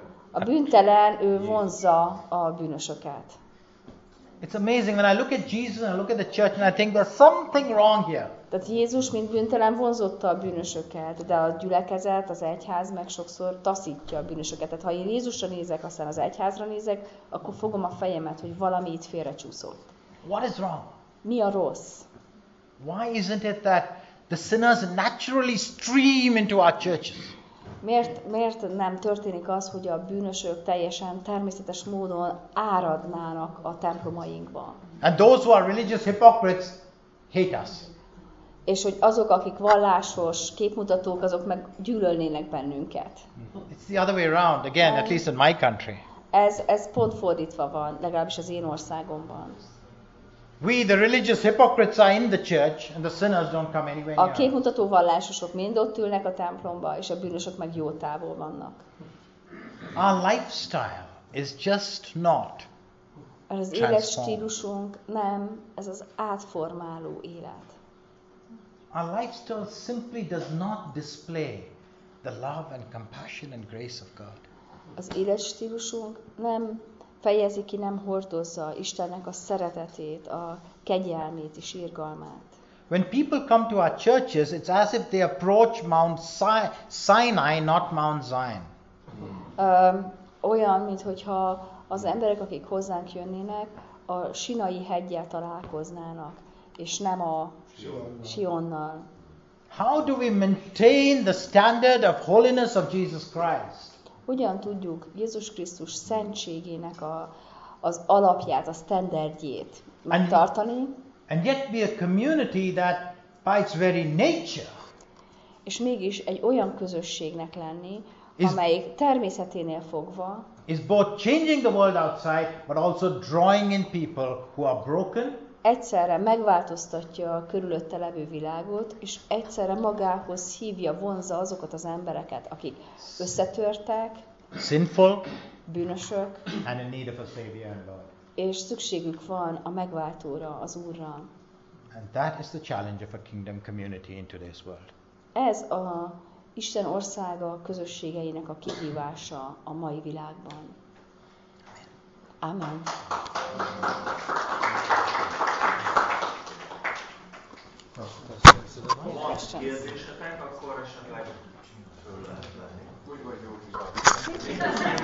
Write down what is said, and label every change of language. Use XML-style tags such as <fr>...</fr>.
<hu>A bűntelen ő vonzza a bűnösöket.</hu> <en>It's amazing when I look at Jesus and I look at the church and I think there's something wrong here.</en> <hu>Tehát Jézus mint bűntelen vonzotta a bűnösöket, de a gyülekezet, az egyház meg sokszor taszítja a bűnösöket. Tehát ha én Jézusra nézek, aztán az egyházra nézek, akkor fogom a fejemet, hogy valami itt félrecsúszott.</hu> <en>What is wrong?</en> <hu>Mi a rossz?</hu> <en>Why isn't it that the sinners naturally stream into our churches?</en> <hu>Miért nem történik az, hogy a bűnösök teljesen természetes módon áradnának a templomainkba?</hu> <en>And those who are religious hypocrites hate us.</en> <hu>És hogy azok, akik vallásos képmutatók, azok meg gyűlölnének bennünket.</hu> <en>It's the other way around, again, at least in my country.</en> <hu>Ez pont fordítva van, legalábbis az én országomban.</hu> <en>We, the religious hypocrites, are in the church, and the sinners don't come anywhere near.</en> <hu>A képmutató vallásosok mind ott ülnek a templomba, és a bűnösök meg jó távol vannak.</hu> <en>Our lifestyle is just not transformed.</en> <hu>Az életstílusunk nem, ez az átformáló élet.</hu> <en>Our lifestyle simply does not display the love and compassion and grace of God.</en> <hu>Az életstílusunk nem fejezi ki, nem hordozza Istennek a szeretetét, a kegyelmét és irgalmát.</hu> <en>When people come to our churches, it's as if they approach Mount Sinai, not Mount Zion.</en> <hu>Olyan, mintha az emberek, akik hozzánk jönnének, a Sinai heggyel találkoznának, és nem a Sionnal.</hu> <en>How do we maintain the standard of holiness of Jesus Christ?</en> <hu>Hogyan tudjuk Jézus Krisztus szentségének az alapját, a standardjét megtartani?</hu> <en>And yet be a community that by its very nature.</en> <hu>És mégis egy olyan közösségnek lenni, amelyik természeténél fogva</hu> <en>is both changing the world outside, but also drawing in people who are broken.</en> <hu>Egyszerre megváltoztatja a körülötte levő világot, és egyszerre magához hívja, vonza azokat az embereket, akik összetörtek,</hu> <en>sinful,</en> <hu>bűnösök,</hu> <en>and in need of a savior and Lord.</en> <hu>És szükségük van a megváltóra, az Úrra.</hu> <en>And that is the challenge of a kingdom community in today's world.</en> <hu>Ez a Isten országa közösségeinek a kihívása a mai világban.</hu> <en>Amen.</en> <hu>Ha kérdésetek, akkor esetleg föl lehet lenni. Úgy vagy jó, hogy</hu>